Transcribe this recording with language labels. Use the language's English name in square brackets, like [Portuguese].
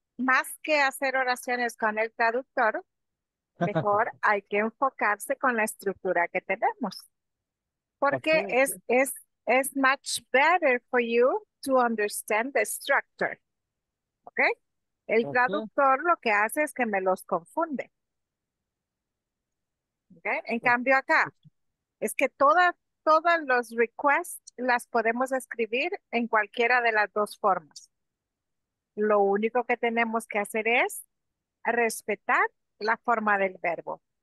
[Spanish] Más que hacer oraciones con el traductor, mejor hay que enfocarse con la estructura que tenemos. Porque okay. [English] Es much better for you to understand the structure. Okay? El okay. [Spanish] traductor lo que hace es que me los confunde. Okay? En cambio acá, es que todas los requests las podemos escribir en cualquiera de las dos formas. Lo único que tenemos que hacer es respetar la forma del verbo.